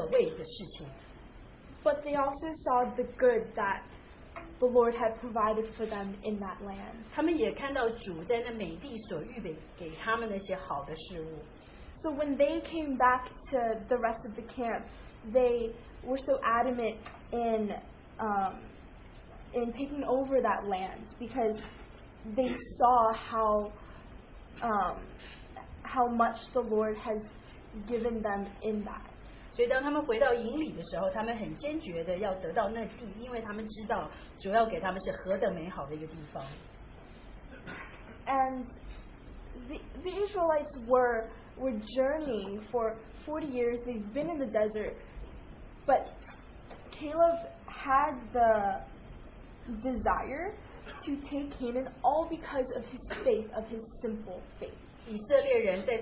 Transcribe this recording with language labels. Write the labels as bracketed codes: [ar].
[zh] 他们看到巨人，然后他们看到一些很可畏的事情。 [en] But they also saw the good that the Lord had provided for them in that land. [zh] 他们也看到主在那美地所预备给他们那些好的事物。 [en] So when they came back to the rest of the camp, they were so adamant in taking over that land because they saw how much the Lord has given them in that. [zh] 所以当他们回到营里的时候，他们很坚决的要得到那地，因为他们知道主要给他们是何等美好的一个地方。 [en] And the Israelites were journeying for 40 years. They've been in the desert, but Caleb had the desire to take Canaan all because of his faith, of his simple faith.